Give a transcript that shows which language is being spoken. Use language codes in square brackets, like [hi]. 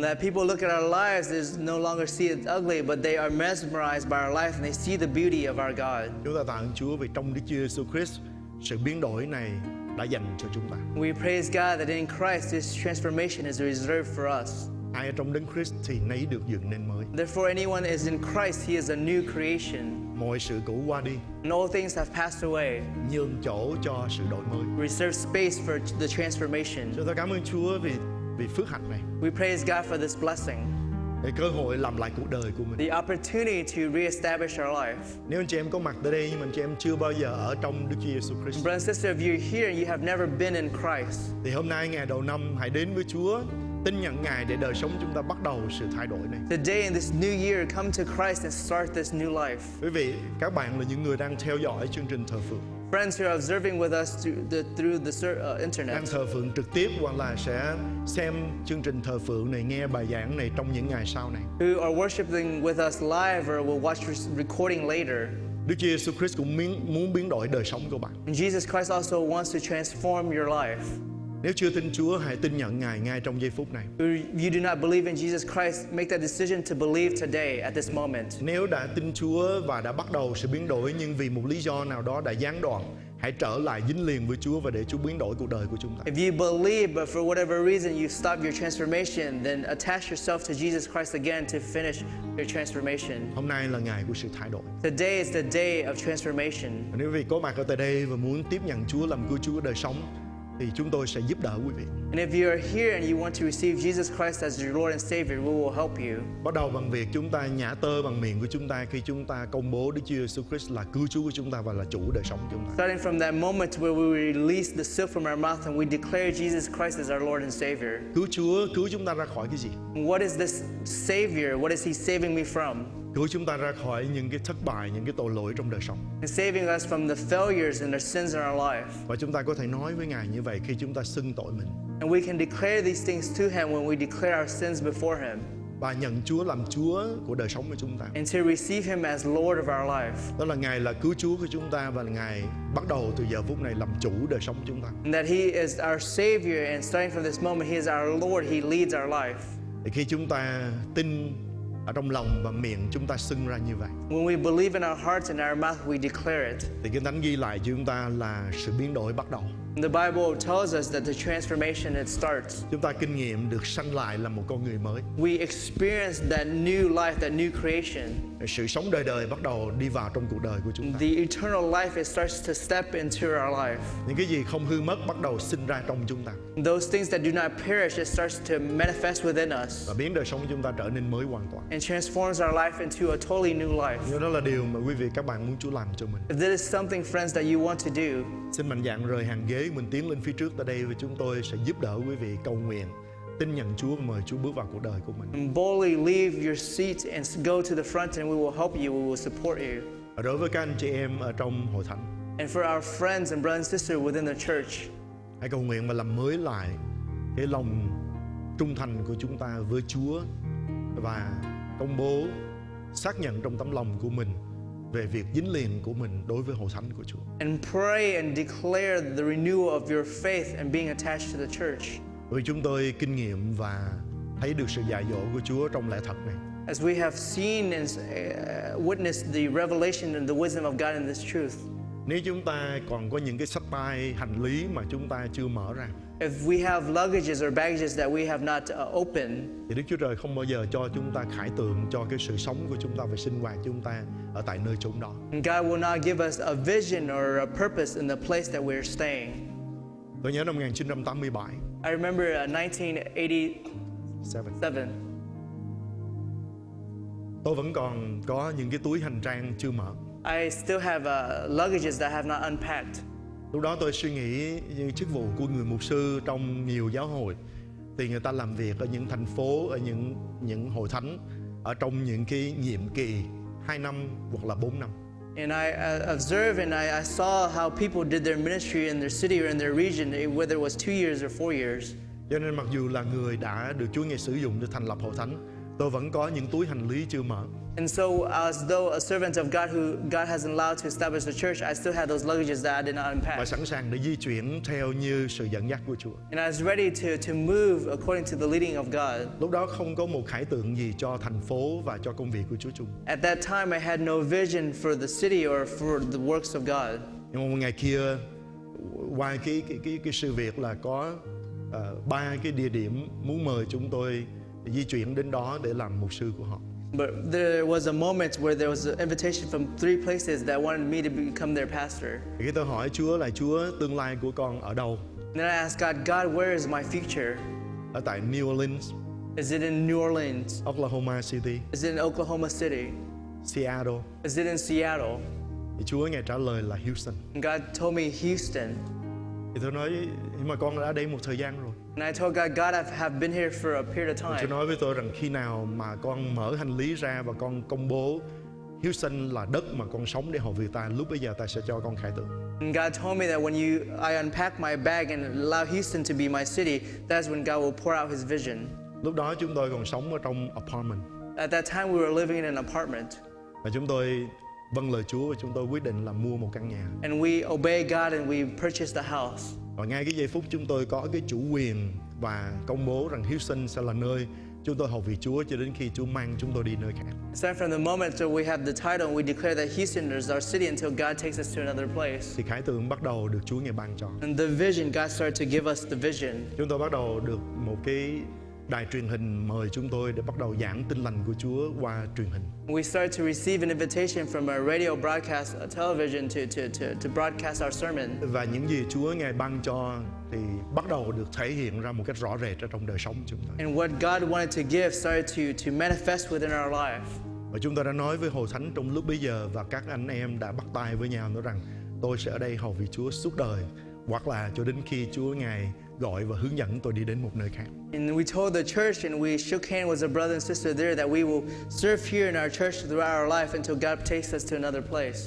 [en] That people look at our lives is no longer see it ugly, but they are mesmerized by our life and they see the beauty of our God. [vi] Chúng ta tạ ơn Chúa vì trong Đức Chúa Jesus Christ, sự biến đổi này đã dành cho chúng ta. [en] We praise God that in Christ this transformation is reserved for us. [vi] Ai ở trong Đấng Christ thì nấy được dựng nên mới. [en] Therefore, anyone is in Christ, he is a new creation. [vi] Mọi sự cũ qua đi. [en] And all things have passed away. [vi] Nhường chỗ cho sự đổi mới. [en] Reserve space for the transformation. [vi] Chúng ta cảm ơn Chúa vì vì phước hạnh này. [en] We praise God for this blessing. [vi] Để cơ hội làm lại cuộc đời của mình. [en] The opportunity to reestablish our life. [vi] Nếu anh chị em có mặt tại đây nhưng mà anh chị em chưa bao giờ ở trong Đức Chúa Giêsu Christ. [en] Brothers and sisters, if you're here and you have never been in Christ. [vi] Thì hôm nay ngày đầu năm hãy đến với Chúa, tin nhận Ngài để đời sống chúng ta bắt đầu sự thay đổi này. [en] Today in this new year, come to Christ and start this new life. [vi] Quý vị, các bạn là những người đang theo dõi chương trình thờ phượng. [en] Friends who are observing with us through the internet. [vi] Đang thờ phượng trực tiếp hoặc là sẽ xem chương trình thờ phượng này, nghe bài giảng này trong những ngày sau này. [en] Who are worshiping with us live or will watch recording later. [vi] Đức Chúa Jesus Christ cũng muốn biến đổi đời sống của bạn. [en] And Jesus Christ also wants to transform your life. [vi] Nếu chưa tin Chúa, hãy tin nhận Ngài ngay trong giây phút này. [en] If you do not believe in Jesus Christ, make that decision to believe today at this moment. [vi] Nếu đã tin Chúa và đã bắt đầu sự biến đổi nhưng vì một lý do nào đó đã gián đoạn, hãy trở lại dính liền với Chúa và để Chúa biến đổi cuộc đời của chúng ta. [en] If you believe but for whatever reason you stop your transformation, then attach yourself to Jesus Christ again to finish your transformation. [vi] Hôm nay là ngày của sự thay đổi. [en] Today is the day of transformation. [vi] Nếu quý vị có mặt ở tại đây và muốn tiếp nhận Chúa làm cứu Chúa đời sống thì chúng tôi sẽ giúp đỡ quý vị. [en] And if you are here and you want to receive Jesus Christ as your Lord and Savior, we will help you. [vi] Bắt đầu bằng việc chúng ta nhả tơ bằng miệng của chúng ta khi chúng ta công bố Đức Chúa Jesus Christ là cứu Chúa của chúng ta và là chủ đời sống chúng ta. [en] Starting from that moment where we release the soot from our mouth and we declare Jesus Christ as our Lord and Savior. [vi] Cứu Chúa cứu chúng ta ra khỏi cái gì? [en] What is this Savior? What is he saving me from? [vi] Cứu chúng ta ra khỏi những cái thất bại, những cái tội lỗi trong đời sống. [en] And saving us from the failures and the sins in our life. [vi] Và chúng ta có thể nói với Ngài như vậy khi chúng ta xưng tội mình. [en] And we can declare these things to him when we declare our sins before him. [vi] Và nhận Chúa làm Chúa của đời sống của chúng ta. [en] And to receive him as Lord of our life. [vi] Đó là Ngài là cứu Chúa của chúng ta và Ngài bắt đầu từ giờ phút này làm chủ đời sống của chúng ta. [en] And that he is our Savior and starting from this moment he is our Lord, he leads our life. [vi] Thì khi chúng ta tin ở trong lòng và miệng chúng ta xưng ra như vậy. [en] When we believe in our hearts and our mouth we declare it. [vi] Thì Kinh Thánh ghi lại cho chúng ta là sự biến đổi bắt đầu. [en] The Bible tells us that the transformation it starts. [vi] Chúng ta kinh nghiệm được sanh lại làm một con người mới. [en] We experience that new life, that new creation. [vi] Sự sống đời đời bắt đầu đi vào trong cuộc đời của chúng ta. [en] The eternal life it starts to step into our life. [vi] Những cái gì không hư mất bắt đầu sinh ra trong chúng ta. [en] Those things that do not perish it starts to manifest within us. [vi] Và biến đời sống của chúng ta trở nên mới hoàn toàn. [en] And transforms our life into a totally new life. [vi] Nhưng đó là điều mà quý vị các bạn muốn Chúa làm cho mình. [en] If this is something friends that you want to do. [vi] Xin mạnh dạn rời hàng ghế mình tiến lên phía trước tại đây và chúng tôi sẽ giúp đỡ quý vị cầu nguyện tin nhận Chúa và mời Chúa bước vào cuộc đời của mình. [en] Boldly leave your seat and go to the front and we will help you, we will support you. [vi] Đối với các anh chị em ở trong hội thánh. [en] And for our friends and brothers and sisters within the church. [vi] Hãy cầu nguyện và làm mới lại cái lòng trung thành của chúng ta với Chúa và công bố xác nhận trong tấm lòng của mình về việc dính liền của mình đối với hội thánh của Chúa. [en] And pray and declare the renewal of your faith and being attached to the church. [vi] Vì chúng tôi kinh nghiệm và thấy được sự dạy dỗ của Chúa trong lẽ thật này. [en] As we have seen and witnessed the revelation and the wisdom of God in this truth. [vi] Nếu chúng ta còn có những cái sách tay hành lý mà chúng ta chưa mở ra. [en] If we have luggages or baggages that we have not opened. [vi] Thì Đức Chúa Trời không bao giờ cho chúng ta khải tượng cho cái sự sống của chúng ta và sinh hoạt chúng ta ở tại nơi chốn đó. [en] And God will not give us a vision or a purpose in the place that we're staying. [vi] Tôi nhớ năm 1987. [en] I remember 1987. [vi] Tôi vẫn còn có những cái túi hành trang chưa mở. [en] I still have luggages that I have not unpacked. [vi] Lúc đó tôi suy nghĩ như chức vụ của người mục sư trong nhiều giáo hội thì người ta làm việc ở những thành phố, ở những hội thánh ở trong những cái nhiệm kỳ 2 năm hoặc là 4 năm. [en] And I observed and I saw how people did their ministry in their city or in their region, whether it was 2 years or 4 years. [vi] Cho nên mặc dù là người đã được Chúa Ngài sử dụng để thành lập hội thánh, tôi vẫn có những túi hành lý chưa mở. [en] And so as though a servant of God who God has allowed to establish the church, I still had those luggages that I did not unpack. [vi] Và sẵn sàng để di chuyển theo như sự dẫn dắt của Chúa. [en] And I was ready to move according to the leading of God. [vi] Lúc đó không có một khải tượng gì cho thành phố và cho công việc của Chúa chung. [en] At that time I had no vision for the city or for the works of God. [vi] Nhưng mà một ngày kia ngoài cái sự việc là có ba cái địa điểm muốn mời chúng tôi di chuyển đến đó để làm mục sư của họ. [en] But there was a moment where there was an invitation from three places that wanted me to become their pastor. [vi] Khi tôi hỏi Chúa là Chúa tương lai của con ở đâu? [en] Then I asked God, God, where is my future? [vi] ở tại New Orleans. [en] Is it in New Orleans? [vi] Oklahoma City. [en] Is it in Oklahoma City? [vi] Seattle. [en] Is it in Seattle? [vi] Thì Chúa nghe trả lời là Houston. [en] God told me Houston. [vi] Thì tôi nói, nhưng mà con đã đây một thời gian rồi. [en] And I told God, God, I have been here for a period of time. [vi] Chúa nói với tôi rằng khi nào mà con mở hành lý ra và con công bố Houston là đất mà con sống để hầu việc ta, lúc bây giờ ta sẽ cho con khải tượng. [en] And God told me that when I unpack my bag and allow Houston to be my city, that's when God will pour out His vision. [vi] Lúc đó chúng tôi còn sống ở trong apartment. [en] At that time we were living in an apartment. [vi] Và chúng tôi vâng lời Chúa và chúng tôi quyết định là mua một căn nhà. [en] And we obey God and we purchased the house. [vi] Và ngay cái giây phút chúng tôi có cái chủ quyền và công bố rằng Houston sẽ là nơi chúng tôi hầu việc Chúa cho đến khi Chúa mang chúng tôi đi nơi khác. [en] So from the moment that we have the title, we declare that Houston is our city until God takes us to another place. [vi] Thì khải tượng bắt đầu được Chúa ngài ban cho. [en] And the vision, God started to give us the vision. [vi] Chúng tôi bắt đầu được một cái đài truyền hình mời chúng tôi để bắt đầu giảng tin lành của Chúa qua truyền hình. [en] We started to receive an invitation from a radio broadcast, a television to broadcast our sermon. [vi] Và những gì Chúa ngài ban cho thì bắt đầu được thể hiện ra một cách rõ rệt ở trong đời sống của chúng ta. [en] And what God wanted to give started to manifest within our life. [vi] Và chúng tôi đã nói với hội thánh trong lúc bây giờ và các anh em đã bắt tay với nhau nói rằng tôi sẽ ở đây hầu vì Chúa suốt đời hoặc là cho đến khi Chúa ngài gọi và hướng dẫn tôi đi đến một nơi khác. [en] And we told the church and we shook hands with a brother and sister there that we will serve here in our church throughout our life until God takes us to another place.